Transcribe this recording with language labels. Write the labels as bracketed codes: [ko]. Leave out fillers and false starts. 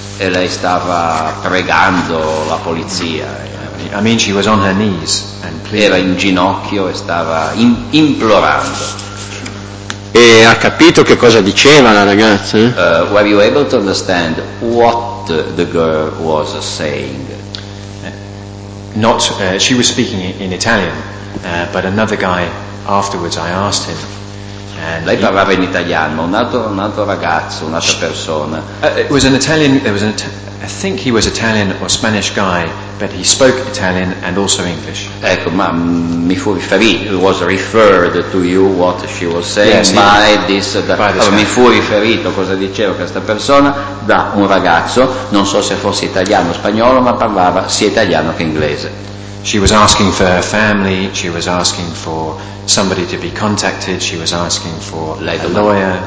[it] E lei stava pregando la polizia. [en] I mean, she was on her knees and pleading. [it] Era in ginocchio e stava implorando. E ha capito che cosa diceva la ragazza? [en] Were you able to understand what the girl was saying? She was speaking in Italian, but another guy afterwards I asked him. [it] And lei parlava in italiano, un altro ragazzo, un'altra persona. [en] It was an Italian. I think he was Italian or Spanish guy, but he spoke Italian and also English. [it] Ecco, ma mi fu riferito, [en] was referred to you what she was saying, yes, by yeah. this. [it] Mi fu riferito cosa diceva questa persona da un ragazzo. Non so se fosse italiano o spagnolo, ma parlava sia italiano che inglese. [en] She was asking for her family, she was asking for somebody to be contacted, she was asking for a lawyer.